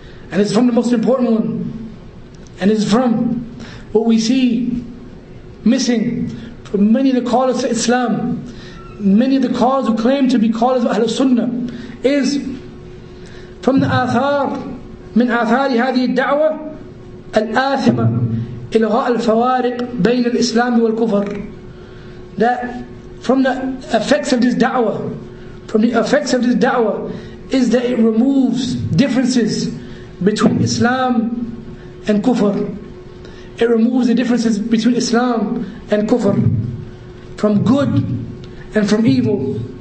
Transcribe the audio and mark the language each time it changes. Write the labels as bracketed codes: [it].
[en] And it's from the most important one. And it's from what we see missing from many of the callers to Islam, many of the callers who claim to be callers of Ahlul Sunnah, is from the athar, [ar] min athari hadhi al-da'wa, al-athima. إلغاء الفوارق بين الإسلام والكفر. [en] That from the effects of this da'wah, is that it removes differences between Islam and kufr. It removes the differences between Islam and kufr, from good and from evil.